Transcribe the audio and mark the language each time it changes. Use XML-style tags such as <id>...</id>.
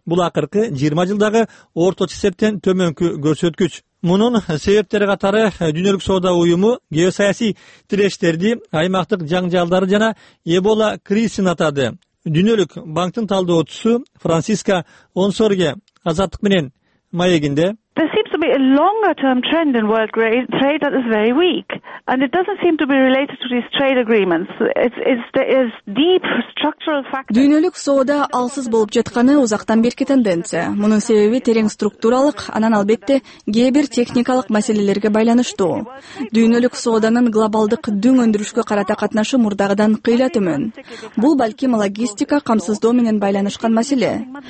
<ky>Бул акыркы 20 жылдагы орточо эсептен төмөнкү көрсөткүч. Мунун себептери катары дүйнөлүк соода уюму геосаясий тирештерди, аймактык жаңжалдарды жана Эбола кризисин атады. Дүйнөлүк банктын талдоочусу Франциска Онсорге Азаттык менен маегинде</ky> <en>a longer term trend in world trade that is very weak, and it doesn't seem to be related to these trade agreements. It's deep structural factors.</en> <ky>Дүйнөлүк соода алсыз болуп жатканы узактан берки тенденция. Мунун себеби терең структуралык, анан албетте кээ бир техникалык маселелерге байланыштуу. Дүйнөлүк сооданын глобалдык дүң өндүрүшкө карата катнашы мурдагыдан кыйла төмөн. Бул балким логистика камсыздоо менен байланышкан маселе.</ky>